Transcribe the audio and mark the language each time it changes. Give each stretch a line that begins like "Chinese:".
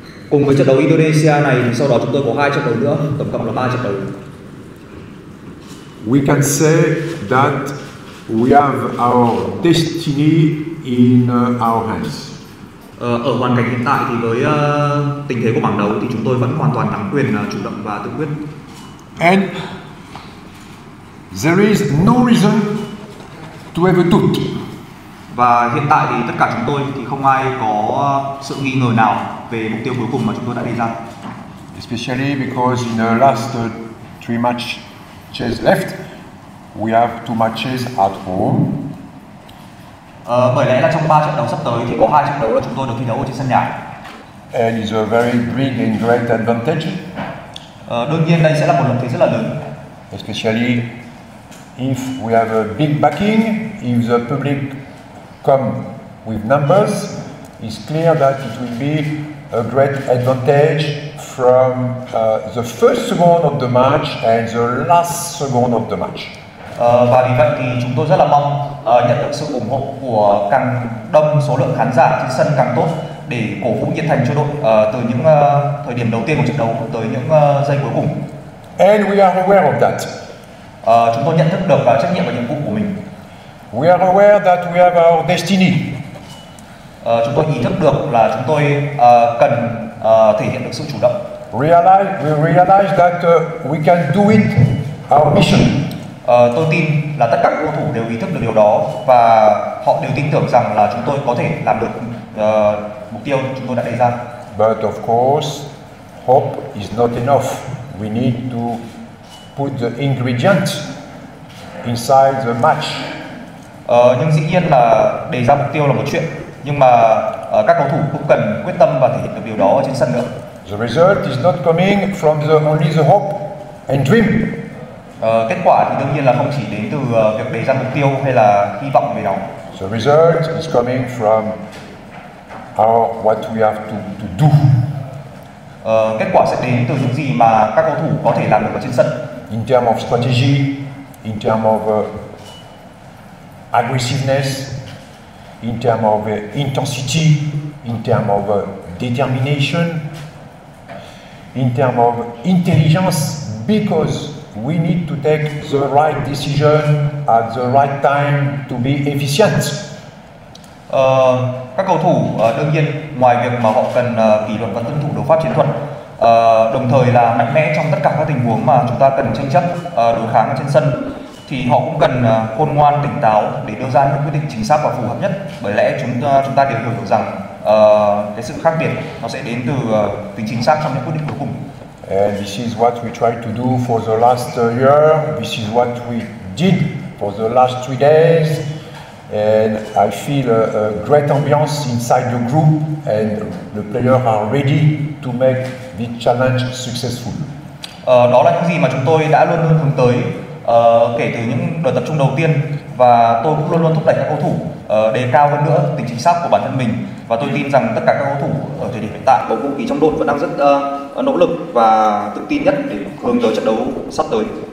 Vietnamese: Cùng với trận đấu Indonesia này, sau đó chúng tôi có hai trận đấu nữa, tổng cộng là ba trận đấu.
English: We can say that we have our destiny in our hands.
Vietnamese: Ở hoàn cảnh hiện tại thì với tình thế của bảng đấu thì chúng tôi vẫn hoàn toàn nắm quyền chủ động và tự quyết.
English: And there is no reason to have a doubt.
Vietnamese: Và hiện tại thì tất cả chúng tôi thì không ai có sự nghi ngờ nào về mục tiêu cuối cùng mà chúng tôi đã đề ra.
English: Especially because in the last three matches left, we have two matches at home.
Vietnamese: Bởi lẽ là trong ba trận đấu sắp tới thì có hai trận đấu là chúng tôi được thi đấu ở trên sân nhà.
English: And it's a very big and great advantage.
Vietnamese: Đương nhiên đây sẽ là một lợi thế rất là lớn.
English: Especially if we have a big backing, if the public come with numbers, it's clear that it will be a great advantage from the first second of the match and the last second of the match.
Vietnamese: Và vì vậy thì chúng tôi rất là mong nhận được sự ủng hộ của càng đông số lượng khán giả trên sân càng tốt để cổ vũ nhiệt thành cho đội từ những thời điểm đầu tiên của trận đấu tới những giây cuối cùng.
English: And we are aware of that.
Vietnamese: Chúng tôi nhận thức được trách nhiệm và nhiệm vụ của mình.
English: We are aware that we have our destiny.
Vietnamese: Chúng tôi ý thức được là chúng tôi cần thể hiện được sự chủ động.
English: We realize that we can do it our mission.
Vietnamese: Tôi tin là tất cả cầu thủ đều ý thức được điều đó và họ đều tin tưởng rằng là chúng tôi có thể làm được mục tiêu chúng tôi đã đề ra.
English: But of course, hope is not enough. We need to put the ingredients inside the match.
Vietnamese: Nhưng dĩ nhiên là đề ra mục tiêu là một chuyện, nhưng mà các cầu thủ cũng cần quyết tâm và thể hiện được điều đó ở trên sân nữa.
English: The result is not coming from only the hope and dream.
Vietnamese: Kết quả thì đương nhiên là không chỉ đến từ việc đề ra mục tiêu hay là hy vọng về nó.
English: The result is coming from what we have to do.
Vietnamese: Kết quả sẽ đến từ những gì mà các cầu thủ có thể làm được ở trên sân.
English: In terms of strategy, in terms of aggressiveness, in terms of intensity, in terms of determination, in terms of intelligence, because we need to take the right decision at the right time to be efficient.
Vietnamese: Các cầu thủ đương nhiên ngoài việc mà họ cần kỷ luật và tuân thủ đấu pháp chiến thuật, đồng thời là mạnh mẽ trong tất cả các tình huống mà chúng ta cần tranh chấp đối kháng ở trên sân, thì họ cũng cần khôn ngoan tỉnh táo để đưa ra những quyết định chính xác và phù hợp nhất. Bởi lẽ chúng ta đều hiểu được rằng cái sự khác biệt nó sẽ đến từ tính chính xác trong những quyết định cuối cùng.
English: And this is what we tried to do for the last year. This is what we did for the last 3 days. And I feel a great ambiance inside the group, and the players are ready to make this challenge successful.
Vietnamese: Đó là những gì mà chúng tôi đã luôn luôn hướng tới kể từ những đợt tập trung đầu tiên, và tôi cũng luôn luôn thúc đẩy các cầu thủ đề cao hơn nữa tính chính xác của bản thân mình. Và tôi tin rằng tất cả các cầu thủ ở thời điểm hiện tại, bầu không khí trong đội vẫn đang rất nỗ lực và tự tin nhất để hướng tới trận đấu sắp tới.